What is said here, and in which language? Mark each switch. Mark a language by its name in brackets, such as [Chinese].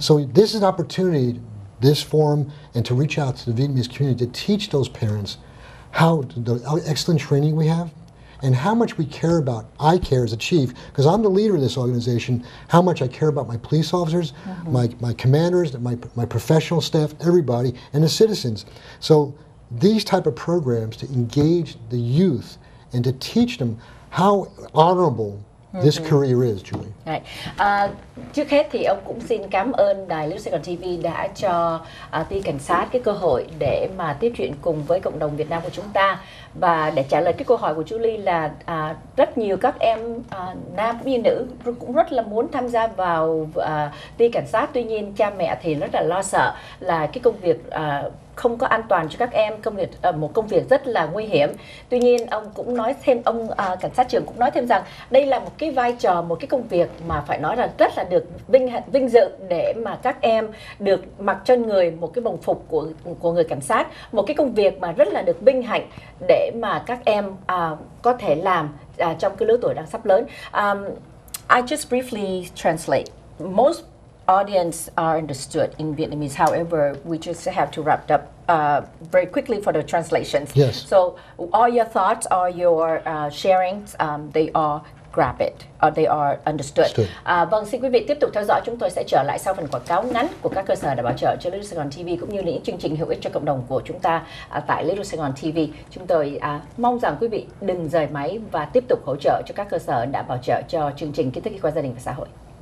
[English] So this is an opportunity, this forum, and to reach out to the Vietnamese community to teach those parents how the excellent training we have and how much we care about, I care as a chief, because I'm the leader of this organization, how much I care about my police officers, mm-hmm. my commanders, my professional staff, everybody, and the citizens. So these type of programs to engage the youth and to teach them how honorable this career is, Julie. Right. [Vietnamese] Trước hết thì ông cũng xin cảm ơn Đài Lưu Sài Gòn TV đã cho ti cảnh sát cái cơ hội để mà tiếp chuyện cùng với cộng đồng Việt Nam của chúng ta. Và để trả lời cái câu hỏi của Julie là rất nhiều các em nam cũng như nữ cũng rất là muốn tham gia vào ti cảnh sát. Tuy nhiên cha mẹ thì rất là lo sợ là cái công việc không có an toàn cho các em, một công việc rất là nguy hiểm. Tuy nhiên ông cũng nói thêm, ông cảnh sát trưởng cũng nói thêm rằng đây là một cái vai trò, một cái công việc mà phải nói là rất là được vinh dự để mà các em được mặc trên người một cái đồng phục của người cảnh sát, một cái công việc mà rất là được vinh hạnh để mà các em có thể làm trong cái lứa tuổi đang sắp lớn. [English] I just briefly translate. Most audience are understood in Vietnamese. However, we just have to wrap up very quickly for the translations. Yes. So all your thoughts, all your sharings, they are grabbed, they are understood. [Vietnamese] Vâng, xin quý vị tiếp tục theo dõi. Chúng tôi sẽ trở lại sau phần quảng cáo ngắn của các cơ sở đã bảo trợ cho Little Sài Gòn TV cũng như những chương trình hữu ích cho cộng đồng của chúng ta tại Little Sài Gòn TV. Chúng tôi mong rằng quý vị đừng rời máy và tiếp tục hỗ trợ cho các cơ sở đã bảo trợ cho chương trình Kiến thức Y khoa Gia đình và Xã hội.